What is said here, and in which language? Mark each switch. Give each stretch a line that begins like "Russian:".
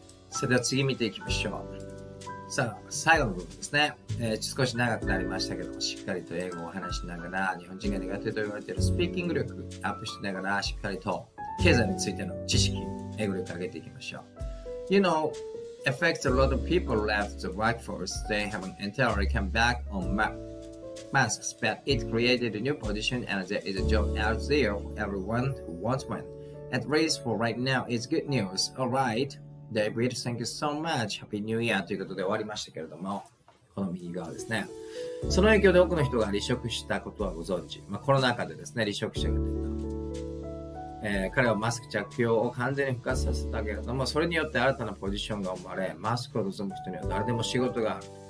Japanese: それでは次見ていきましょう。さあ、最後の部分ですね、少し長くなりましたけども、しっかりと英語を話しながら、日本人が苦手と言われているスピーキング力アップしながら、しっかりと経済についての知識、英語力を上げていきましょう。
English: You know affects a lot of people left the workforce. They haven't entirely come back on masks, but it created a new position and there is a job out there for everyone who wants one. At least for right now, it's good news. All right, David, thank you so much. Happy New Year!
Japanese: ということで終わりましたけれども、この右側ですね。その影響で多くの人が離職したことはご存知。まあ、コロナ禍でですね、離職者が出た。彼はマスク着用を完全に復活させたけれども、それによって新たなポジションが生まれ、マスクを望む人には誰でも仕事がある。